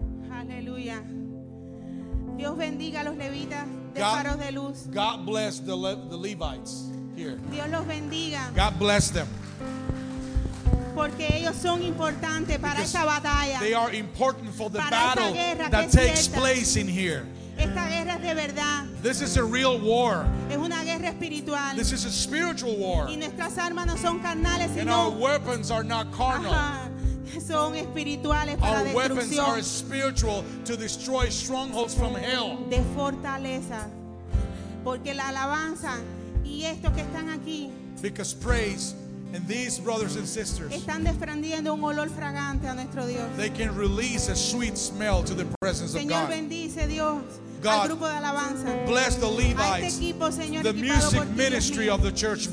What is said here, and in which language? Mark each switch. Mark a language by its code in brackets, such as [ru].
[en] Hallelujah. [es] Dios bendiga a los levitas de faros de luz. [en] God bless the Levites here. [es] Dios los bendiga. [en] God bless them. [es] Porque ellos son importantes para esta batalla. [en] They are important for the [es] para [en] battle that takes place in here. [es] Esta guerra es de verdad. [en] This is a real war. [es] Es una guerra espiritual. [en] This is a spiritual war. [es] Y nuestras armas no son carnales, sino [en] and our weapons are not carnal. [es] Son espirituales para [en] our weapons are spiritual to destroy strongholds from hell. [es] De fortaleza, porque la alabanza y estos que están aquí, [en] because praise and these brothers and sisters, [es] están desprendiendo un olor fragante a nuestro Dios. [en] They can release a sweet smell to the presence [es] Señor [en] of God. [es] Señor bendice Dios. God, [en] bless the Levites, the music ministry of the church.